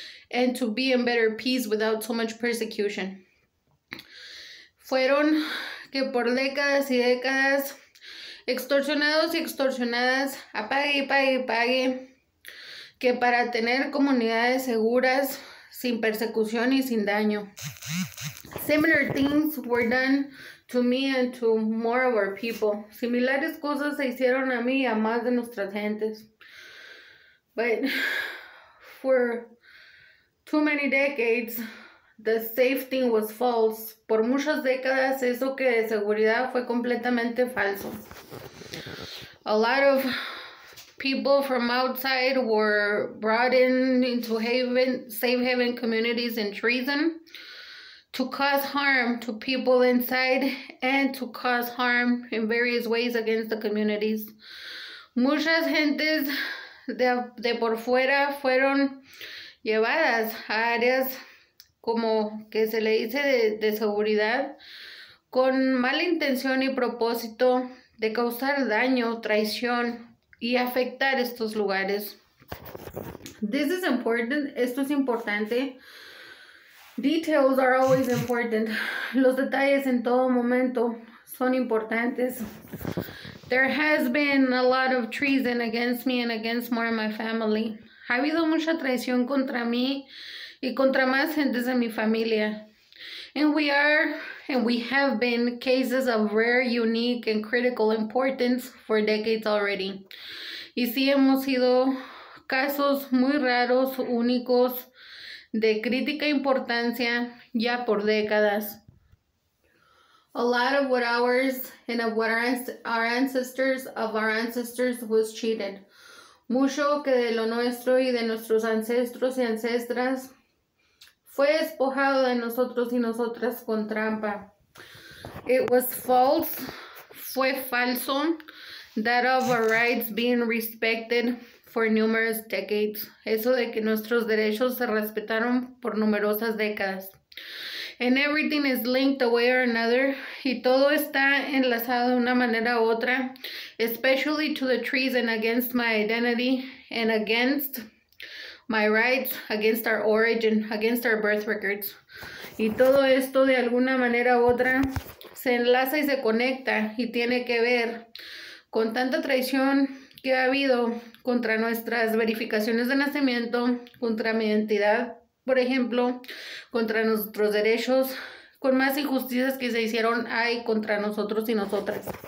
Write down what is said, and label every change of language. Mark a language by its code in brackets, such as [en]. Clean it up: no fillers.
[en] And to be in better peace without so much persecution. [es] Fueron que por décadas y décadas, extorsionados y extorsionadas, a pague y pague y pague, que para tener comunidades seguras, sin persecución y sin daño. [en] Similar things were done to me and to more of our people. [es] Similares cosas se hicieron a mí y a más de nuestras gentes. [en] But for too many decades, the safe thing was false. [es] Por muchas décadas, eso que de seguridad fue completamente falso. [en] A lot of people from outside were brought in into haven, safe haven communities and treason to cause harm to people inside and to cause harm in various ways against the communities. [es] Muchas gentes de por fuera fueron llevadas a áreas como que se le dice de seguridad con mala intención y propósito de causar daño, traición y afectar estos lugares. [en] This is important. [es] Esto es importante. [en] Details are always important. [es] Los detalles en todo momento son importantes. [en] There has been a lot of treason against me and against more of my family. [es] Ha habido mucha traición contra mí y contra más gentes de mi familia. [en] And we are, and we have been, cases of rare, unique, and critical importance for decades already. [es] Y sí, hemos sido casos muy raros, únicos, de crítica importancia ya por décadas. [en] A lot of what ours and of what our ancestors was cheated. [es] Mucho que de lo nuestro y de nuestros ancestros y ancestras fue despojado de nosotros y nosotras con trampa. [en] It was false, [es] fue falso, [en] that of our rights being respected for numerous decades. [es] Eso de que nuestros derechos se respetaron por numerosas décadas. [en] And everything is linked a way or another, [es] y todo está enlazado de una manera u otra, [en] especially to the treason against my identity and against my rights, against our origin, against our birth records. [es] Y todo esto de alguna manera u otra se enlaza y se conecta y tiene que ver con tanta traición que ha habido contra nuestras verificaciones de nacimiento, contra mi identidad. Por ejemplo, contra nuestros derechos, con más injusticias que se hicieron ahí contra nosotros y nosotras.